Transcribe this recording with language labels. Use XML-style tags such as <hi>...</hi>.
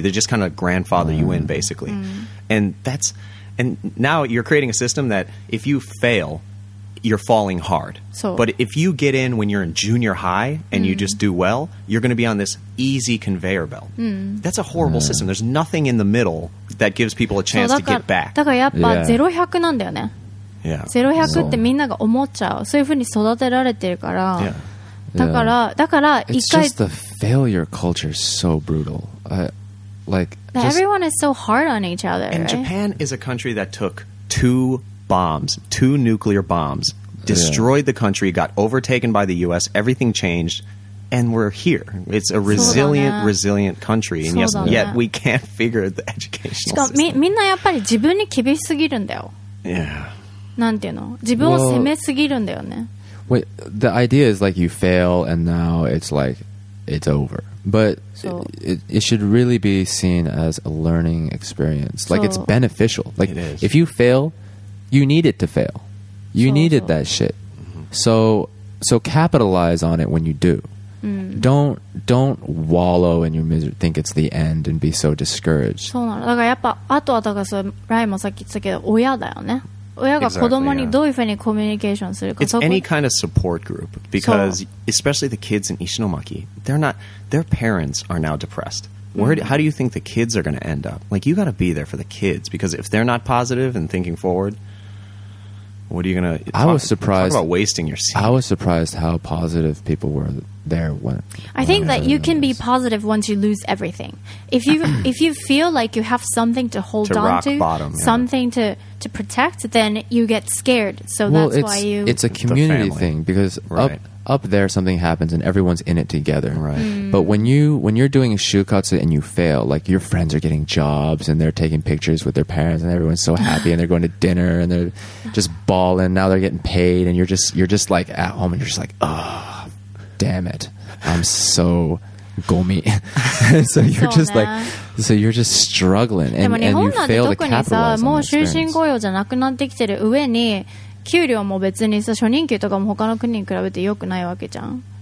<en>They just kind of grandfather you in, basically. And that's, and now you're creating a system that if you fail, you're falling hard. So. But if you get in when you're in junior high and you just do well, you're going to be on this easy conveyor belt. That's a horrible system. There's nothing in the middle that gives people a chance to get back.</en> <ja>だからやっぱ0-100なんだよね。</ja> <en>Yeah.</en> <ja>0-100 ってみんなが思っちゃう。そういう風に育てられてるから。だから、だから一回。</ja> <en>It's just the failure culture is so brutal. Like, just, everyone is so hard on each other. And right? Japan is a country that took two bombs, two nuclear bombs, destroyed the country, got overtaken by the U.S., everything changed, and we're here. It's a resilient, resilient country, and yet we can't figure the educational system.</en> <ja>みんなやっぱり自分に厳しすぎるんだよ。</ja> <en>Yeah.</en> <ja>なんていうの? 自分を責めすぎるんだよね。</ja> <en>Wait, the idea is like you fail and now it's like it's over. But it should really be seen as a learning experience. Like it's beneficial. Like it is. If you fail, you need it to fail. You needed that shit. So capitalize on it when you do. Don't wallow in your misery, think it's the end and be so discouraged.</en> <ja>そうなの。だからやっぱ、あとはだからそれ、ライもさっき言ったけど、親だよね。親が子供にどういうふうにコミュニケーションするか。</ja> <en>It's any kind of support group because especially the kids in Ishinomaki, they're not, their parents are now depressed. How do you think the kids are going to end up? Like you got to be there for the kids because if they're not positive and thinking forward, what are you going to? I was surprised about wasting your seat. I was surprised how positive people were there when. I think that you can be positive once you lose everything. If you if you feel like you have something to hold on to, bottom, something to protect, then you get scared. So well, that's why you. It's a community thing because up there something happens and everyone's in it together. Right. But when you're doing a shukatsu and you fail, like your friends are getting jobs and they're taking pictures with their parents and everyone's so happy and they're going to dinner and they're just balling. Now they're getting paid and you're just like at home and you're just like, oh, damn it, I'm so. Gomi. So you're just like, so you're just struggling and you fail to capitalize on your experience.</en> <ja>でも日本なんて特にさ、もう終身雇用じゃなくなってきてる上に給料も別にさ、初任給とかも他の国に比べて良くないわけじゃん。</ja>